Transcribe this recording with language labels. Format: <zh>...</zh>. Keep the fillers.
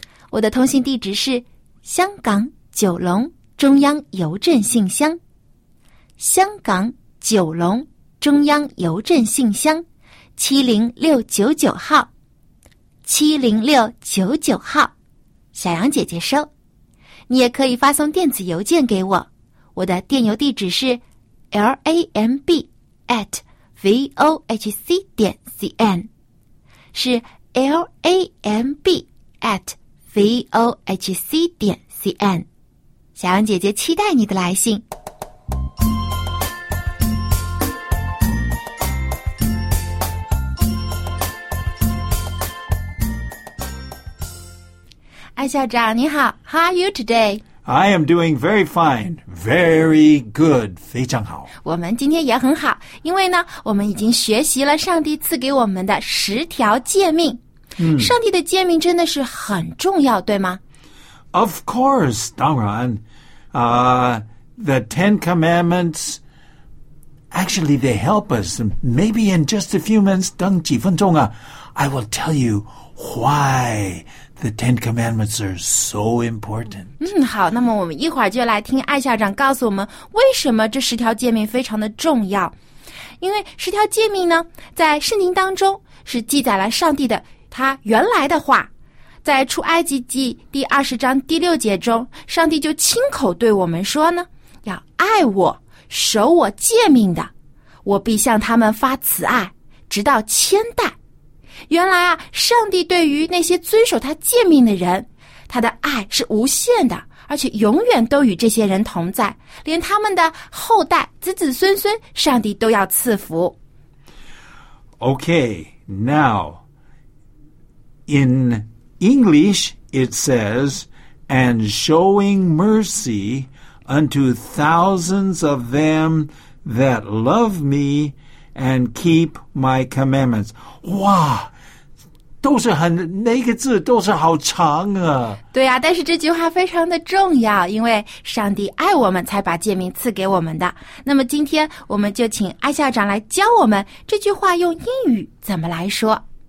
<zh>我的通信地址是香港九龙中央邮政信箱，香港九龙中央邮政信箱七零六九九号，七零六九九号，小杨姐姐收。你也可以发送电子邮件给我，我的电邮地址是 lamb。 at v o h c 点 c n 是 l a m b at v o h c 点 c n 小羊姐姐期待你的来信。艾校长你好，</zh> <en>How are you today？ I am doing very fine, very good，</en> <zh>非常好。我们今天也很好，因为呢，我们已经学习了上帝赐给我们的十条诫命。嗯，上帝的诫命真的是很重要，对吗</zh> <en>？Of course，</en> <zh>当然。</zh> <en>啊、uh,，The Ten Commandments. Actually, they help us. Maybe in just a few minutes，</en> <zh>等几分钟啊，</zh> <en>I will tell you why The Ten Commandments are so important.</en> <zh>嗯，好，那么我们一会儿就来听艾校长告诉我们为什么这十条诫命非常的重要。因为十条诫命呢，在圣经当中是记载了上帝的他原来的话。在出埃及记第二十章第六节中，上帝就亲口对我们说呢：“要爱我，守我诫命的，我必向他们发慈爱，直到千代。 ”原来啊，上帝对于那些遵守他诫命的人，他的爱是无限的，而且永远都与这些人同在，连他们的后代、子子孙孙，上帝都要赐福。</zh> <en>Okay, now in English it says, and showing mercy unto thousands of them that love me and keep my commandments.</en> <zh>哇，都是很那个字都是好长啊。对呀、啊，但是这句话非常的重要，因为上帝爱我们才把诫命赐给我们的。那么今天我们就请艾校长来教我们这句话用英语怎么来说。</zh>